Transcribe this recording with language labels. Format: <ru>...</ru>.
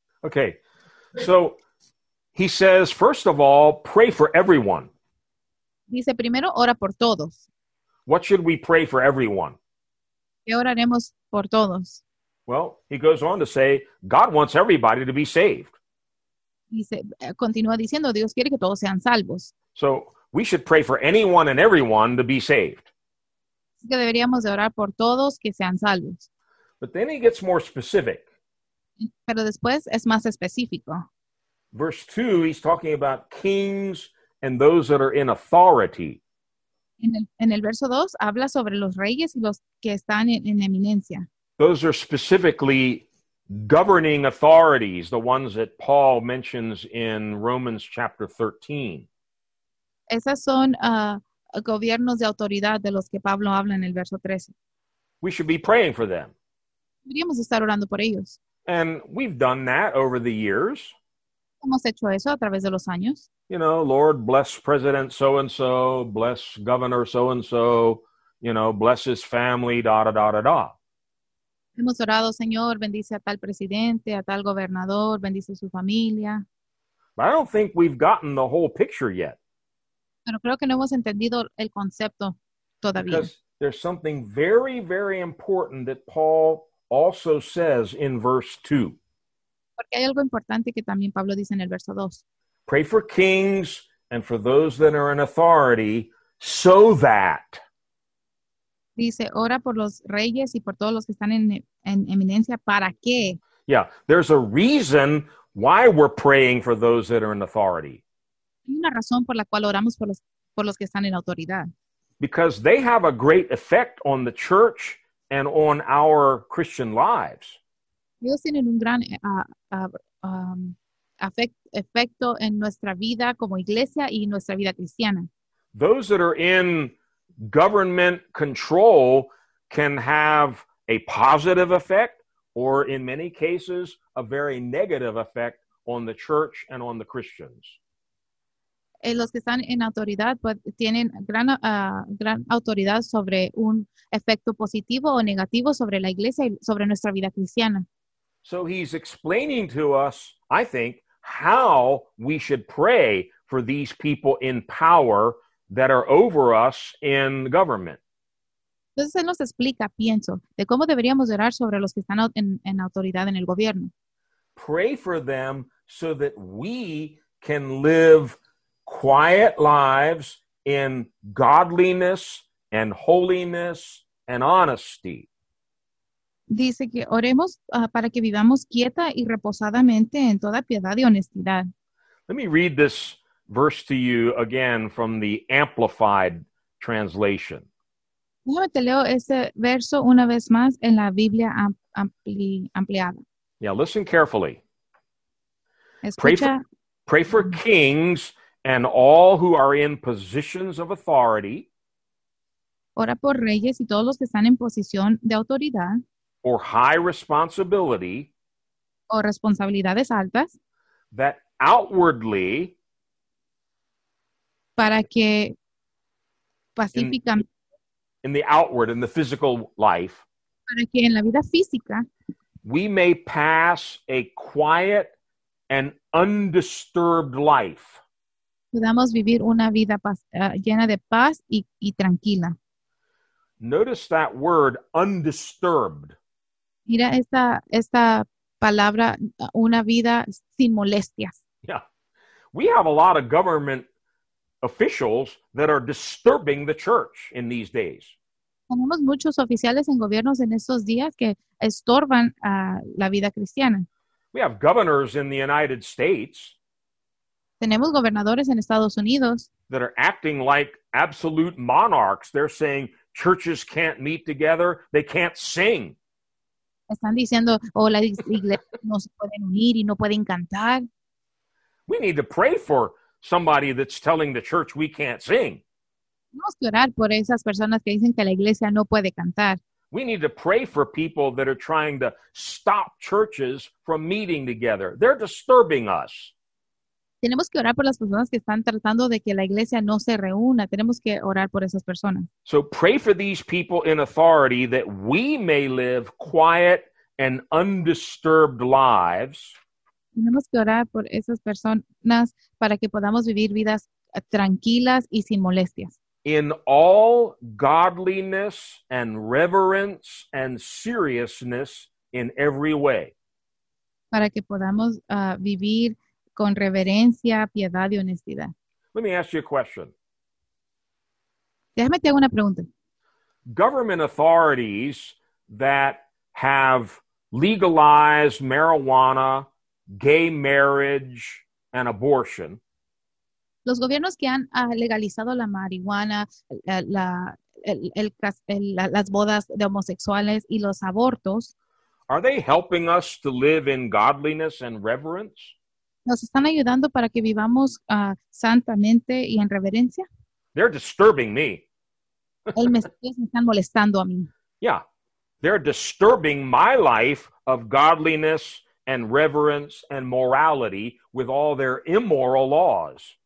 <en>Okay, so he says, first of all, pray for everyone.</en> <es>Dice primero, ora por todos.</es> <en>What should we pray for everyone?</en> <es>¿Qué oraremos por todos?</es> <en>Well, he goes on to say, God wants everybody to be saved.</en> <es>Dice, continúa diciendo, Dios quiere que todos sean salvos.</es> <en>So, we should pray for anyone and everyone to be saved.</en> <es>Así que deberíamos de orar por todos que sean salvos.</es> <en>But then he gets more specific.</en> <es>Pero después es más específico.</es> <en>Verse 2, he's talking about kings and those that are in authority.</en> <es>En el verso 2, habla sobre los reyes y los que están en eminencia.</es> <en>Those are specifically governing authorities, the ones that Paul mentions in Romans chapter 13.</en> <es>Esas son gobiernos de autoridad de los que Pablo habla en el verso 13.</es> <en>We should be praying for them.</en> <es>Deberíamos estar orando por ellos.</es> <en>And we've done that over the years.</en> <es>Hemos hecho eso a través de los años.</es> <en>You know, Lord, bless President so-and-so, bless Governor so-and-so, you know, bless his family, da-da-da-da-da.</en> <es>Hemos orado, Señor, bendice a tal presidente, a tal gobernador, bendice su familia.</es> <en>But I don't think we've gotten the whole picture yet.</en> <es>Pero creo que no hemos entendido el concepto todavía.</es> <en>Because there's something very, very important that Paul also says in verse 2.</en> <es>Porque hay algo importante que también Pablo dice en el verso 2.</es> <en>Pray for kings and for those that are in authority so that.</en> <es>Dice, ora por los reyes y por todos los que están en eminencia, ¿para qué?</es> <en>Yeah, there's a reason why we're praying for those that are in authority.</en> <es>Hay una razón por la cual oramos por los que están en autoridad.</es> <en>Because they have a great effect on the church and on our Christian lives.</en> <es>Ellos tienen un gran efecto en nuestra vida como iglesia y nuestra vida cristiana.</es> <en>Those that are in government control can have a positive effect or in many cases a very negative effect on the church and on the Christians.</en> <es>los que están en autoridad pues, tienen gran, gran autoridad sobre un efecto positivo o negativo sobre la iglesia y sobre nuestra vida cristiana.</es> <en>So he's explaining to us, I think, how we should pray for these people in power that are over us in the government.</en> <es>Entonces él nos explica, pienso, de cómo deberíamos orar sobre los que están en autoridad en el gobierno.</es> <en>Pray for them so that we can live quiet lives in godliness and holiness and honesty.</en> <es>Dice que oremos para que vivamos quieta y reposadamente en toda piedad y honestidad.</es> <en>Let me read this verse to you again from the Amplified translation.</en> <es>Déjame te leo ese verso una vez más en la Biblia ampliada.</es> <en>Yeah, listen carefully.</en> <es>Escucha.</es> <en>Pray for kings and all who are in positions of authority.</en> <es>Ora por reyes y todos los que están en posición de autoridad.</es> <en>Or high responsibility.</en> <es>O responsabilidades altas.</es> <en>That outwardly.</en> <es>Para que pacíficamente.</es> <en>In the outward, in the physical life,</en> <es>para que en la vida física,</es> <en>we may pass a quiet and undisturbed life.</en> <es>Podamos vivir una vida llena de paz y tranquila.</es> <en>Notice that word, undisturbed.</en> <es>Mira esta palabra, una vida sin molestias. Yeah.</es> <en>We have a lot of government officials that are disturbing the church in these days.</en> <es>Tenemos muchos oficiales en gobiernos en estos días que estorban a la vida cristiana.</es> <en>We have governors in the United States.</en> <es>Tenemos gobernadores en Estados Unidos.</es> <en>That are acting like absolute monarchs. They're saying churches can't meet together. They can't sing.</en> <es>Están diciendo, la iglesia no se pueden unir y no pueden cantar.</es> <en>We need to pray for somebody that's telling the church we can't sing.</en> <es>Tenemos que orar por esas personas que dicen que la iglesia no puede cantar.</es> <en>We need to pray for people that are trying to stop churches from meeting together. They're disturbing us.</en> <es>Tenemos que orar por las personas que están tratando de que la iglesia no se reúna. Tenemos que orar por esas personas.</es> <en>So pray for these people in authority that we may live quiet and undisturbed lives.</en> <es>Tenemos que orar por esas personas para que podamos vivir vidas tranquilas y sin molestias.</es> <en>In all godliness and reverence and seriousness in every way.</en> <es>Para que podamos vivir con reverencia, piedad y honestidad.</es> <en>Let me ask you a question.</en> <es>Déjame te hago una pregunta.</es> <en>Government authorities that have legalized marijuana, gay marriage, and abortion.</en> <es>Los gobiernos que han legalizado la marihuana, las bodas de homosexuales y los abortos.</es> <en>Are they helping us to live in godliness and reverence?</en> <es>¿Nos están ayudando para que vivamos santamente y en reverencia?</es> <en>They're disturbing me.</en> <es>Ellos me están molestando a mí.</es> <en>Yeah, they're disturbing my life of godliness and reverence and morality with all their immoral laws.</en>